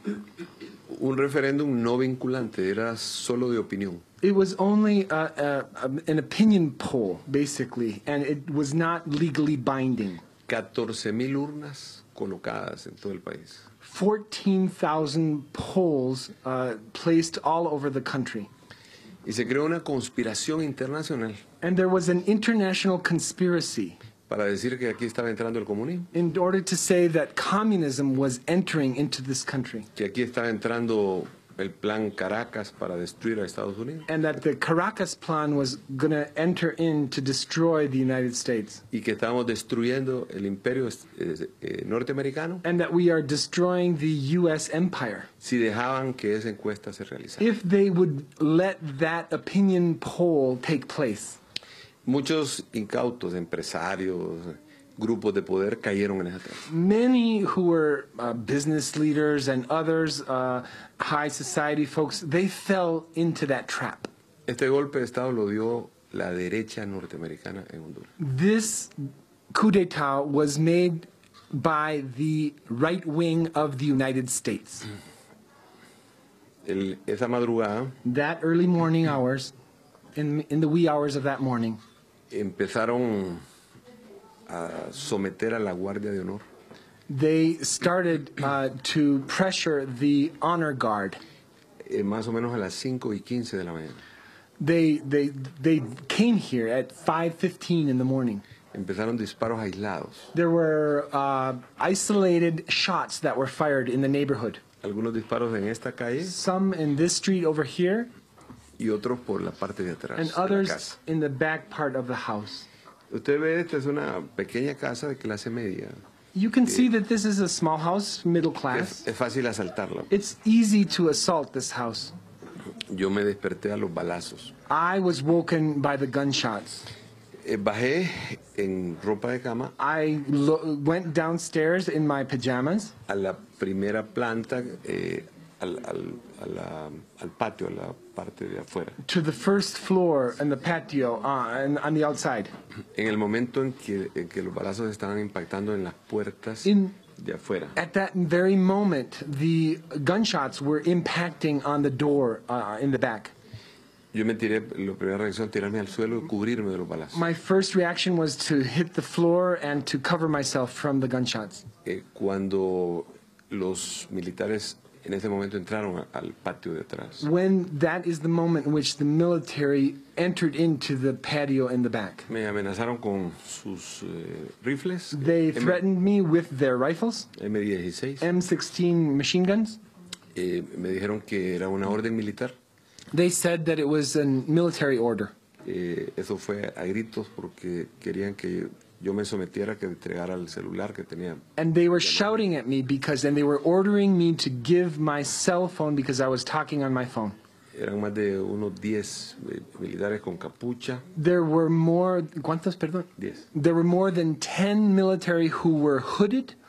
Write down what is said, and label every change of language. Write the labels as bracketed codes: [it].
[es] Un referéndum no vinculante, era solo de opinión. [en] It was only an opinion poll, basically, and it was not legally binding. [es] 14,000 urnas colocadas en todo el país. [en] 14,000 polls placed all over the country. [es] Y se creó una conspiración internacional. [en] And there was an international conspiracy. [es] Para decir que aquí estaba entrando el comunismo. [en] In order to say that communism was entering into this country. [es] Que aquí estaba entrando el plan Caracas para destruir a Estados Unidos. [en] And that the Caracas plan was going to enter in to destroy the United States. [es] Y que estábamos destruyendo el imperio norteamericano. [en] And that we are destroying the U.S. empire. [es] Si dejaban que esa encuesta se realizara. [en] If they would let that opinion poll take place. [es] Muchos incautos, empresarios, grupos de poder cayeron en esa trampa. [en] Many who were business leaders and others, high society folks, they fell into that trap. [es] Este golpe de Estado lo dio la derecha norteamericana en Honduras. [en] This coup d'etat was made by the right wing of the United States. [es] Esa madrugada. [en] That early morning hours, in the wee hours of that morning. [es] Empezaron a someter a la Guardia de Honor. [en] They started to pressure the honor guard. [es] Más o menos a las 5:15 de la mañana. [en] They came here at 5:15 in the morning. [es] Empezaron disparos aislados. [en] There were isolated shots that were fired in the neighborhood. [es] Algunos disparos en esta calle. [en] Some in this street over here. [es] Y otros por la parte de atrás. [en] And others in the back part of the house. [es] Usted ve, esta es una pequeña casa de clase media. [en] You can see that this is a small house, middle class. [es] Es fácil asaltarlo. [en] It's easy to assault this house. [es] Yo me desperté a los balazos. [en] I was woken by the gunshots. [es] Bajé en ropa de cama. [en] I went downstairs in my pajamas. [es] A la primera planta, al patio, a la parte de afuera. [en] To the first floor and the patio on the outside. [es] En el momento en que los balazos estaban impactando en las puertas de afuera. [en] At that very moment, the gunshots were impacting on the door in the back. [es] Yo me tiré, la primera reacción, tirarme al suelo y cubrirme de los balazos. [en] My first reaction was to hit the floor and to cover myself from the gunshots. [es] Cuando los militares En ese momento entraron al patio de atrás. [en] When that is the moment in which the military entered into the patio in the back. [es] Me amenazaron con sus rifles. [en] They threatened me with their rifles. M16. M16 machine guns. [es] Me dijeron que era una orden militar. [en] They said that it was a military order. [es] Eso fue a gritos porque querían que yo me sometiera, que entregara el celular que tenía. [en] And they were shouting at me because, and they were ordering me to give my cell phone because I was talking on my phone. [es] Eran más de unos 10 militares con capucha. [en] There were more, [es] ¿cuántos, perdón? 10. [en] There were more than 10 military who were hooded.